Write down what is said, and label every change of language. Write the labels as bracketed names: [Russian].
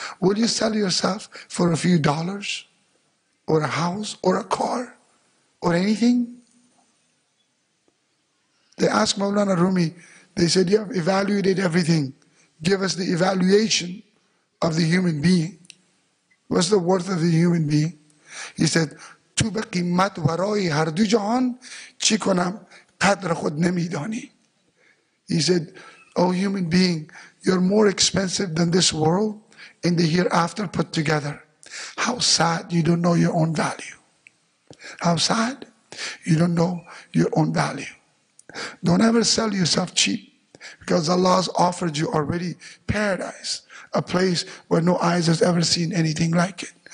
[English] Will you sell yourself for a few dollars? Or a house? Or a car? Or anything? They asked Mawlana Rumi, they said, you have evaluated everything. Give us the evaluation of the human being. What's the worth of the human being? [Persian] He said, تو به قیمت ورای هر دو جهان چی کنم قدر خود نمیدانی. [English] He said, oh human being, you're more expensive than this world and the hereafter put together. How sad you don't know your own value. How sad you don't know your own value. Don't ever sell yourself cheap, because Allah has offered you already paradise, a place where no eyes has ever seen anything like it.